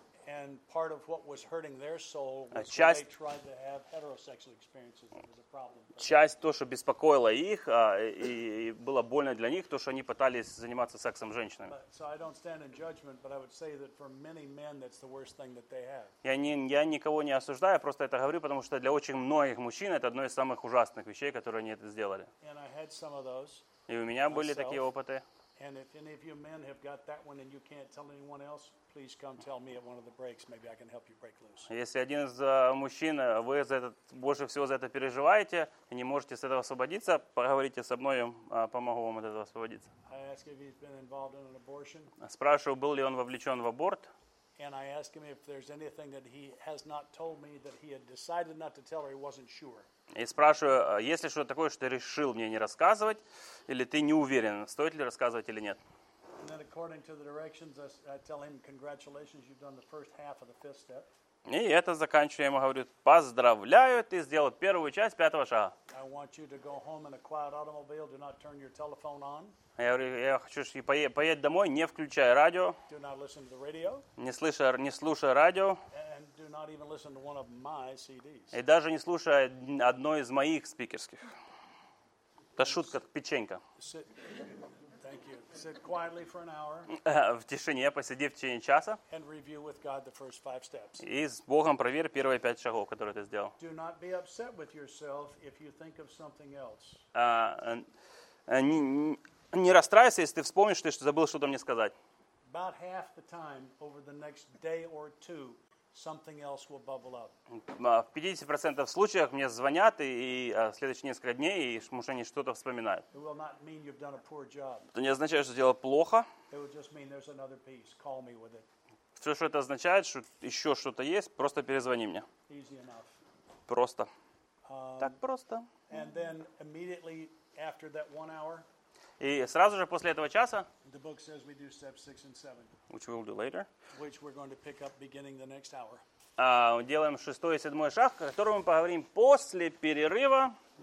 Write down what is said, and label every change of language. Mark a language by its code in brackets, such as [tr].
[en] And part of what was hurting their soul was when they tried to have heterosexual experiences. It was a problem. [ru] Часть то, что беспокоило их, и было больно для них, то, что они пытались заниматься сексом с женщинами. [en] So I don't stand in judgment, but I would say that for many men, that's the worst thing that they have. [ru] Я никого не осуждаю, просто это говорю, потому что для очень многих мужчин это одно из самых ужасных вещей, которые они это сделали. [en] And I had some of those. [ru] И у меня были такие опыты. [en] And if any of you men have got that one and you can't tell anyone else, please come tell me at one of the breaks. Maybe I can help you break loose. [ru] Если один из мужчин, вы за это больше всего за это переживаете и не можете с этого освободиться, поговорите со мной, я помогу вам от этого освободиться. [en] I ask if he's been involved in an abortion. [ru] Спрашиваю, был ли он вовлечен в аборт? [en] And I ask him if there's anything that he has not told me that he had decided not to tell or he wasn't sure. [ru] И спрашиваю, есть ли что-то такое, что ты решил мне не рассказывать, или ты не уверен, стоит ли рассказывать или нет. [en] And then according to the directions, I tell him, congratulations, you've done the first half of the fifth step. [ru] И это заканчиваю, я ему говорю, поздравляю, ты сделал первую часть пятого шага. [en] I want you to go home in a quiet automobile, do not turn your telephone on. [ru] Я говорю, я хочу, чтобы поедешь домой, не включая радио. [en] Do not listen to the radio. [ru] Не слушая радио. [en] And do not even listen to one of my CDs. [ru] И даже не слушая одной из моих спикерских. Это шутка, печенька. [en] Thank you. Sit quietly for an hour. [ru] В тишине, посиди в течение часа. [en] And review with God the first five steps. [ru] И с Богом проверь первые пять шагов, которые ты сделал. [en] Do not be upset with yourself if you think of something else. [ru] Не расстраивайся, если ты вспомнишь, что ты забыл что-то мне сказать. В 50% случаев мне звонят, и в следующие несколько дней, и может, они что-то вспоминают. Это не означает, что сделал плохо. Все, что это означает, что еще что-то есть, просто перезвони мне. Просто. Так просто. [en] And then immediately after that one hour, [ru] и сразу же после этого часа, [en] the book says we do step six and seven, which we'll do later, which we're going to pick up beginning the next hour. [ru] Делаем шестой и седьмой шаг, о котором мы поговорим после перерыва.